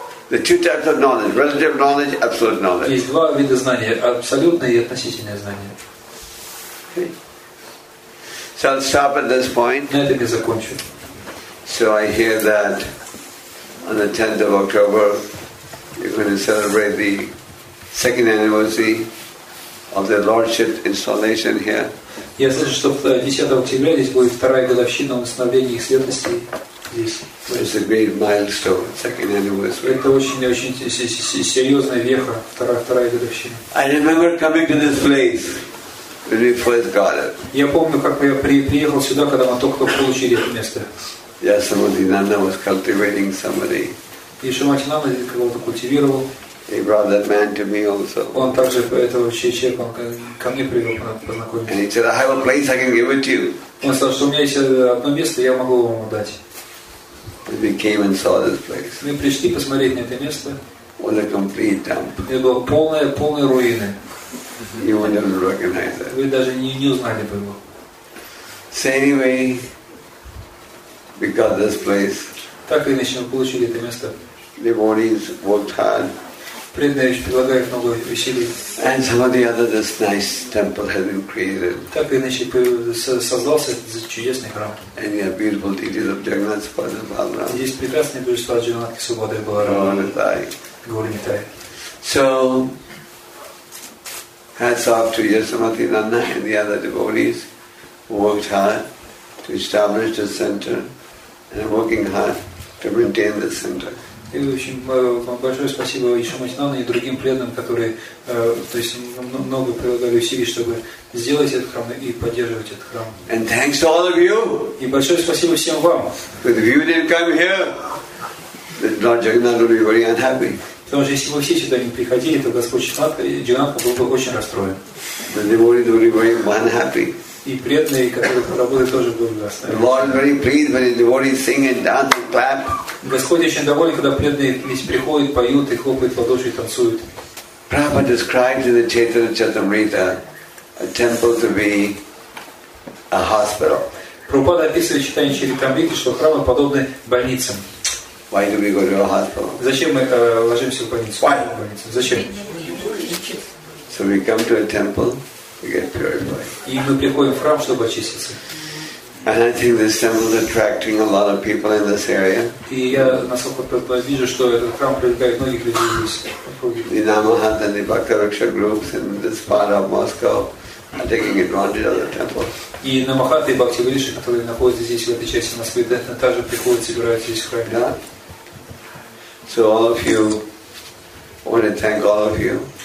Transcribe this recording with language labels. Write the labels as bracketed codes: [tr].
[en] The two types of knowledge, relative knowledge, absolute knowledge. [ru] Есть два вида знания, абсолютное и относительное знание. [en] So I'll stop at this point. [ru] На этом я закончу. [en] So I hear that on the 10th of October you're going to celebrate the second anniversary of the Lordship installation here. [ru] Я слышу, что 10 октября здесь будет вторая годовщина установления их святости здесь. [en] It's a great milestone, second anniversary. [ru] Это очень-очень серьезная веха, вторая годовщина. [en] I remember coming to this place when we first got it. [ru] Я помню, как я приехал сюда, когда мы только получили это место. Яшамадинанда was cultivating somebody. Яшамадинанда кого-то культивировал. [en] He brought that man to me also. [ru] Он также этого человека ко мне привел познакомиться. [en] And he said, "I have a place I can give it to you." [ru] Он сказал, что у меня есть одно место, я могу вам дать. [en] And we came and saw this place. [ru] Мы пришли посмотреть на это место. [en] was a complete dump. [ru] Я был полной, полной руины. [en] You would never recognize that. [ru] Вы даже не, не узнали бы его. [en] So anyway, we got this place. [ru] Так или иначе, мы получили это место. [en] Devotees worked hard. [ru] Преданные прилагают много усилий. [en] And some of the other this nice temple has been created. [ru] Так или иначе, создался этот чудесный храм. [en] And there are beautiful deities of Jagannath Swami Balaram. [ru] Здесь прекрасные божества Джагнатхи Субхадевы Баларама. Гори Нитай. [en] So, hats off to Yasomati Nanda and the other devotees who worked hard to establish the center and are working hard to maintain the center. [ru] И в общем, большое спасибо Ишамати Нанда и другим преданным, которые то есть, много прилагали усилий, чтобы сделать этот храм и поддерживать этот храм. [en] And thanks to all of you. [ru] И большое спасибо всем вам. [en] But if you didn't come here, Lord Jagannath would be very unhappy. [ru] Потому что если бы все сюда не приходили, то Господь Чинат, Джинатха был бы очень расстроен. [en] The devotees would be very unhappy. [ru] И преданные, которые работают, тоже были расстроены. [en] Lord very pleased when the devotees sing and dance and clap. [ru] Господь очень доволен, когда преданные весь приходят, поют и хлопают в ладоши и танцуют. [en] Prabhupada described in the Chaitanya Charitamrita a temple to be a hospital. [ru] Прабхупада описывает в Чайтанья Чаритамрите, что храмы подобны больницам. [en] Why do we go to a hospital? [ru] Зачем мы ложимся в больницу? [en] Why? [ru] Зачем? [en] So we come to a temple to get purified. [ru] И мы приходим в храм, чтобы очиститься. [en] And I think this temple is attracting a lot of people in this area. [ru] И я насколько вижу, что этот храм привлекает многих людей здесь. [en] The Namahant and the Bhaktaraksha groups in this part of Moscow are taking advantage of the temple. [ru] И Намахаты и Бхактивариши, которые находятся здесь, в этой части Москвы, также приходят, собираются здесь в храме. Да. [en] So all of you, I want to thank all of you.